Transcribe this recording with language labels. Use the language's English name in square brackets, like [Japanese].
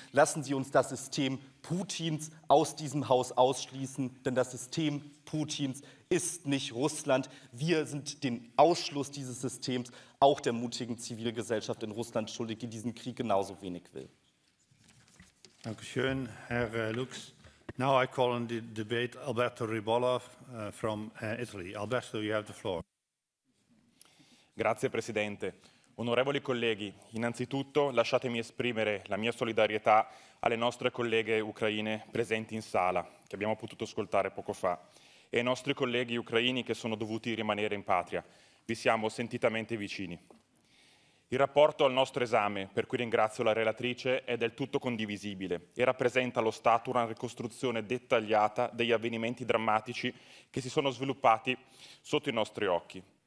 [German] Lassen Sie uns das System Putins aus diesem Haus ausschließen, denn das System Putins ist nicht Russland. Wir sind den Ausschluss dieses Systems auch der mutigen Zivilgesellschaft in Russland schuldig, die diesen Krieg genauso wenig will. Dankeschön, Herr Lux. [English] Now I call on the debate Alberto Ribolla from Italy. Alberto, you have the floor. [Italian] Grazie, Presidente. Onorevoli colleghi, innanzitutto lasciatemi esprimere la mia solidarietà alle nostre colleghe ucraine presenti in sala, che abbiamo potuto ascoltare poco fa, e ai nostri colleghi ucraini che sono dovuti rimanere in patria. Vi siamo sentitamente vicini. Il rapporto al nostro esame, per cui ringrazio la relatrice, è del tutto condivisibile e rappresenta allo Stato una ricostruzione dettagliata degli avvenimenti drammatici che si sono sviluppati sotto i nostri occhi.